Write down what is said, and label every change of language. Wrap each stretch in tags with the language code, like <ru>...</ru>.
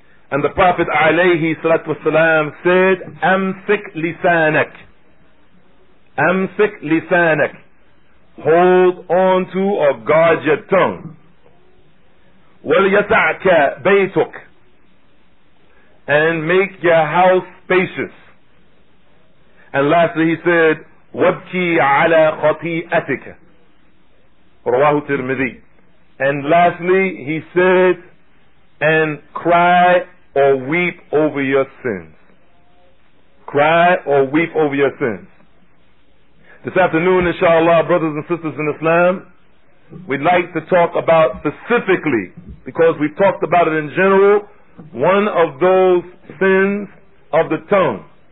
<en>And the Prophet alayhi salatu wasalam said,</en> <ar>amsik lisanak, amsik lisanak,</ar> <en>hold on to or guard your tongue.</en> <ar>Wal yata'ka baytuk,</ar> <en>and make your house spacious. And lastly he said,</en> <ar>وَبْكِي عَلَىٰ خَطِيئَتِكَ رَوَاهُ تِرْمِذِي.</ar> <en>And lastly he said, and cry or weep over your sins. Cry or weep over your sins. This afternoon, inshallah, brothers and sisters in Islam, we'd like to talk about specifically, because we've talked about it in general, one of those sins of the tongue.</en>